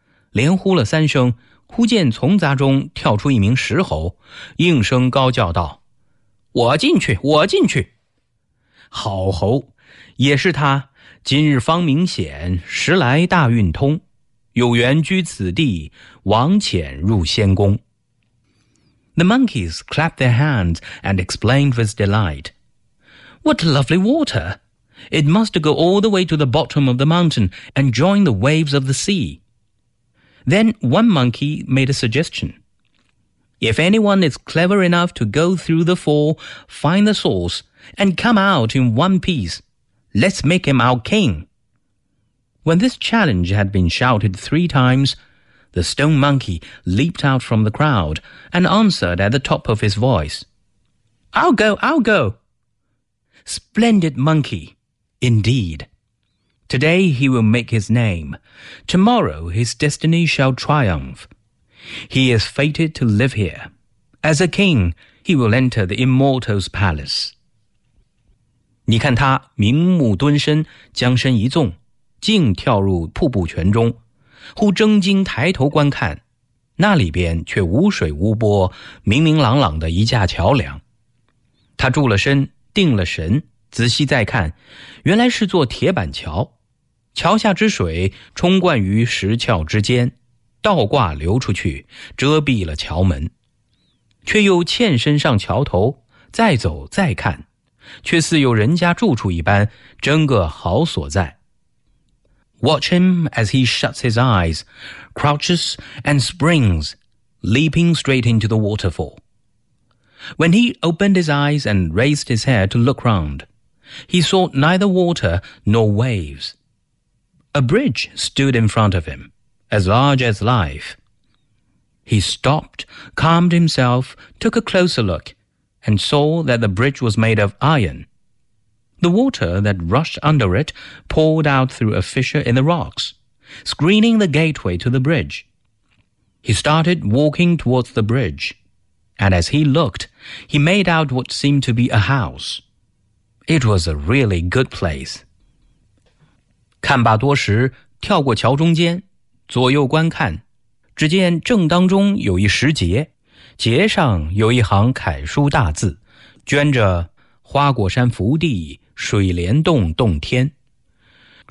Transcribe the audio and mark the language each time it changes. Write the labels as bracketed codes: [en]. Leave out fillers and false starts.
[zh] 连呼了三声，忽见丛杂中跳出一名石猴，应声高叫道，我进去，我进去。好猴，也是他，今日方明显，时来大运通，有缘居此地，王潜入仙宫。 [en] The monkeys clapped their hands and explained with delight, What lovely water! It must go all the way to the bottom of the mountain and join the waves of the sea. Then one monkey made a suggestion. If anyone is clever enough to go through the fall, find the source, and come out in one piece, let's make him our king. When this challenge had been shouted three times, the stone monkey leaped out from the crowd and answered at the top of his voice. I'll go, I'll go! Splendid monkey, indeed. Today he will make his name. Tomorrow his destiny shall triumph. He is fated to live here. As a king, he will enter the immortal's palace. [zh] 你看他明目蹲身，将身一纵，竟跳入瀑布泉中，忽睁睛抬头观看，那里边却无水无波，明明朗朗的一架桥梁。他住了身，定了神，仔细再看，原来是座铁板桥，桥下之水冲灌于石峭之间，倒挂流出去，遮蔽了桥门，却又欠身上桥头，再走再看，却似有人家住处一般，真个好所在。 [en] Watch him as he shuts his eyes, crouches and springs, leaping straight into the waterfall. When he opened his eyes and raised his head to look round, he saw neither water nor waves. A bridge stood in front of him, as large as life. He stopped, calmed himself, took a closer look, and saw that the bridge was made of iron. The water that rushed under it poured out through a fissure in the rocks, screening the gateway to the bridge. He started walking towards the bridge, and as he looked, he made out what seemed to be a house. It was a really good place. [zh] 看罢多时，跳过桥中间，左右观看，只见正当中有一石碣，碣上有一行楷书大字，镌着"花果山福地，水帘洞洞天"。